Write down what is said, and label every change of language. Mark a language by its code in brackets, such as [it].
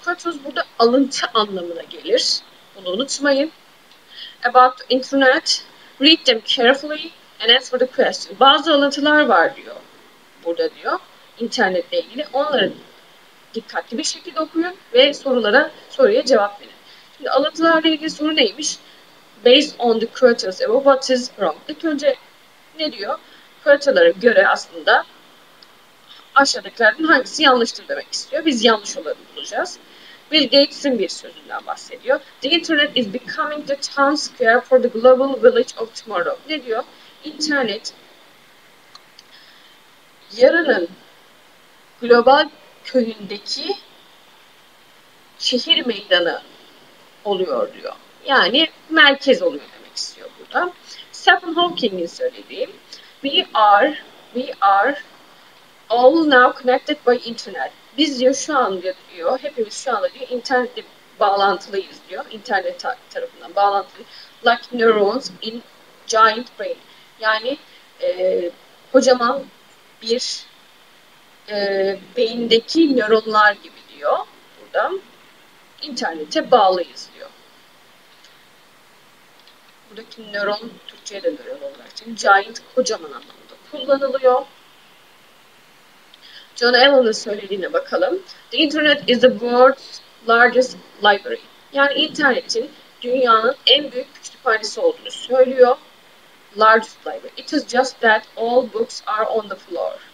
[tr] Quotes burada alıntı anlamına gelir. Bunu unutmayın. [en] About the internet. Read them carefully and answer the question. [tr] Bazı alıntılar var diyor. Burada diyor. İnternetle ilgili. Onları dikkatli bir şekilde okuyun ve soruya cevap verin. Şimdi alıntılarla ilgili soru neymiş? [en] Based on the quotes above, what is wrong? [tr] İlk önce ne diyor? Quotalara göre aslında aşağıdakilerden hangisi yanlıştır demek istiyor. Biz yanlış olanı bulacağız. Bill Gates'in bir sözünden bahsediyor. [en] The internet is becoming the town square for the global village of tomorrow. [tr] Ne diyor? İnternet yarının global köyündeki şehir meydanı oluyor diyor. Yani merkez oluyor demek istiyor burada. Stephen Hawking'in söylediği, [en] we are all now connected by internet. [tr] Biz diyor şu an diyor, hepimiz şu anda diyor internetle bağlantılıyız diyor. İnternet tarafından bağlantılıyız. [en] Like neurons in giant brain. [tr] Yani kocaman bir beyindeki nöronlar gibi diyor. Buradan internete bağlıyız diyor. Buradaki nöron Türkçe'ye de nöron olarak için giant kocaman anlamında kullanılıyor. John Allen'ın söylediğine bakalım. [en] The internet is the world's largest library. [tr] Yani internetin dünyanın en büyük kütüphanesi olduğunu söylüyor. [en] Largest library. It is just that all books are on the floor.